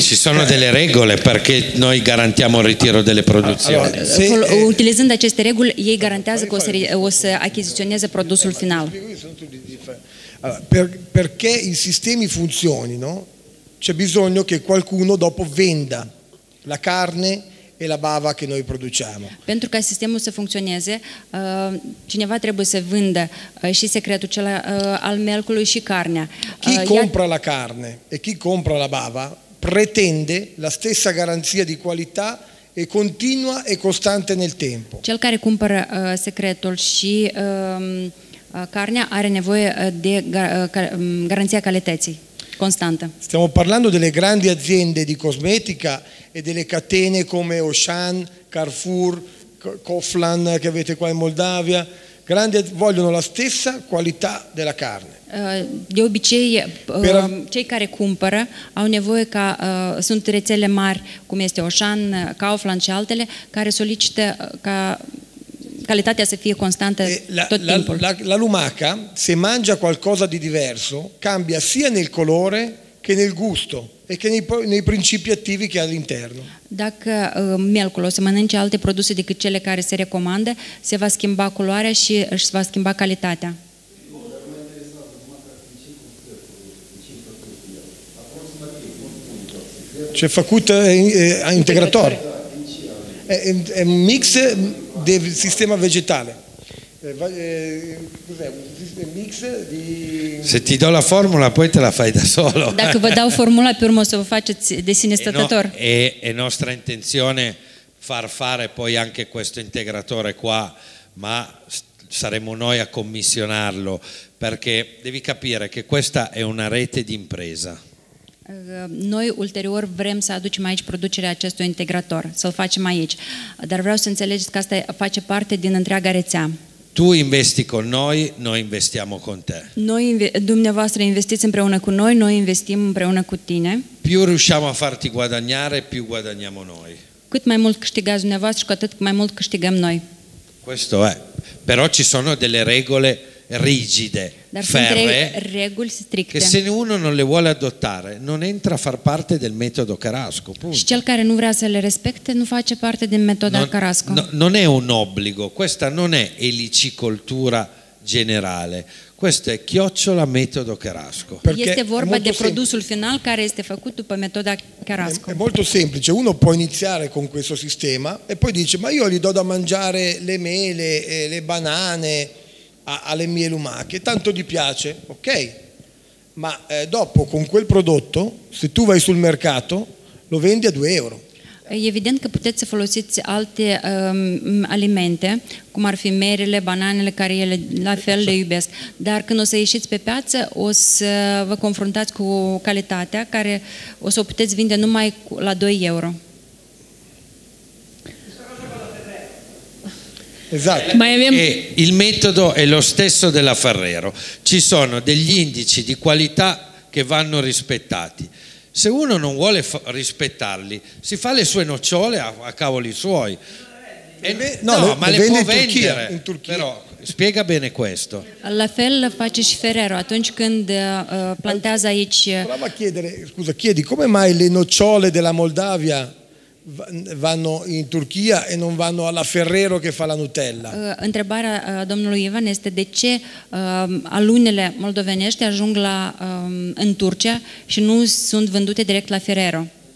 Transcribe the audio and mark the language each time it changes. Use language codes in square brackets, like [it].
[it] Ci sono delle regole perché noi garantiamo il ritiro delle produzioni. Allora, sì, utilizzando queste regole, [ro] ei garantează che o să achiziționeze produsul final. [it] Perché i sistemi funzionino, c'è bisogno che qualcuno dopo venda la carne e la bava che noi produciamo. [ro] Pentru ca sistemul să funcționeze, cineva trebuie să vândă și secretul cel al melcului și carnea. [it] Chi compra la carne e chi compra la bava pretende la stessa garanzia di qualità e continua e costante nel tempo. [ro] Cel care cumpără secretul și carnea are nevoie de garanția calității constantă. [it] Stiamo parlando delle grandi aziende di cosmetica e delle catene come Auchan, Carrefour, Kaufland che avete qua in Moldavia, grandi, vogliono la stessa qualità della carne. [ro] De obicei, cei care cumpără au nevoie ca sunt rețele mari cum este Auchan, Kaufland și altele care solicită ca calitatea să fie constantă tot timpul. [it] La lumaca, se mangia qualcosa di diverso, cambia sia nel colore che nel gusto e che nei principi attivi che ha all'interno. [ro] Dacă melcul o să mănânce alte produse decât cele care se recomandă, se va schimba culoarea și își va schimba calitatea. C'è făcut integrator. [it] È un mix del sistema vegetale. Cos'è? Un mix di... Se ti do la formula poi te la fai da solo. Dacă vă dau formula, pe urmă o să vă faceți de sine stătător. E nostra intenzione far fare poi anche questo integratore qua, ma saremo noi a commissionarlo, perché devi capire che questa è una rete di impresa. [ro] Noi ulterior vrem să aducem aici producerea acestui integrator, să-l facem aici. Dar vreau să înțelegeți că asta face parte din întreaga rețea. [it] Tu investi con noi, noi investiamo con te. [ro] Noi, dumneavoastră, investiți împreună cu noi, noi investim împreună cu tine. [it] Più riusciamo a farti guadagnare, più guadagniamo noi. [ro] Cât mai mult câștigați dumneavoastră, cu atât mai mult câștigăm noi. [it] Questo è. Però ci sono delle regole rigide, ferree, che se uno non le vuole adottare non entra a far parte del metodo Carrasco. [ro] Și cel care nu vrea să le respecte nu face parte din metoda Carrasco. [it] Non è un obbligo, questa non è elicicoltura generale, questo è chiocciola metodo Carrasco. [ro] Este vorba de produsul final care este făcut după metoda Carrasco. [it] È molto semplice, uno può iniziare con questo sistema e poi dice ma io gli do da mangiare le mele, le banane alle mie lumache, tanto gli piace, ok, ma dopo con quel prodotto, se tu vai sul mercato, lo vendi a 2 euro. [ro] Evident că puteți să folosiți alte alimente, cum ar fi merele, bananele, care ele la fel le iubesc. Dar când o să ieșiți pe piață, o să vă confruntați cu calitatea, care o să o puteți vinde numai la 2 euro. [it] Esatto. E il metodo è lo stesso della Ferrero. Ci sono degli indici di qualità che vanno rispettati. Se uno non vuole rispettarli, si fa le sue nocciole a cavoli suoi. Le può vendere in Turchia, in Turchia. Però spiega bene questo. [ro] La fel face și Ferrero atunci când plantează aici. [it] Prova a chiedere, scusa, chiedi come mai le nocciole della Moldavia vanno in Turchia e non vanno alla Ferrero che fa la Nutella. [ro] Întrebarea domnului Ivan este de ce alunele moldovenești ajung la în Turcia și nu sunt vândute direct la Ferrero.